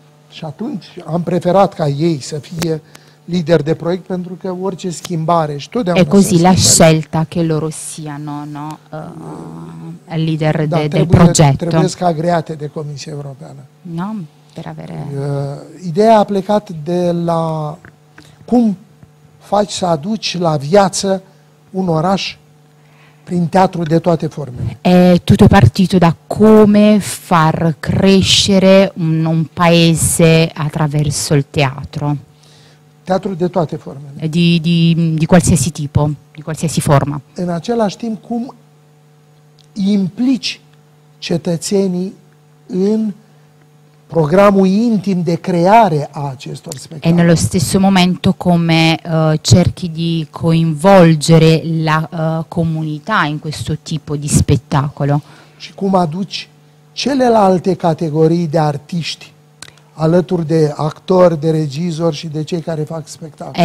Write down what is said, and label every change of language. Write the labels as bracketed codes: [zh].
[ro] Și atunci am preferat ca ei să fie lideri de proiect, pentru că orice schimbare și totdeauna... [it] E così la scelta che loro siano, no, lider [ro] da, [it] de progetto. [ro] Trebuie să agreate de Comisia Europeană. [it] No, per avere... [ro] Ideea a plecat de la cum faci să aduci la viață un oraș prin teatru de toate formele. [it] È tutto partito da come far crescere un paese attraverso il teatro. [ro] Teatru de toate formele. [it] Di qualsiasi tipo, di qualsiasi forma. [ro] În același timp, cum implici cetățenii în programul intim de creare a acestor spectacole. [it] E nello stesso momento come cerchi di coinvolgere la comunità in questo tipo di spettacolo. [ro] Și cum aduci celelalte categorii de artiști alături de actori, de regizori și de cei care fac spectacol.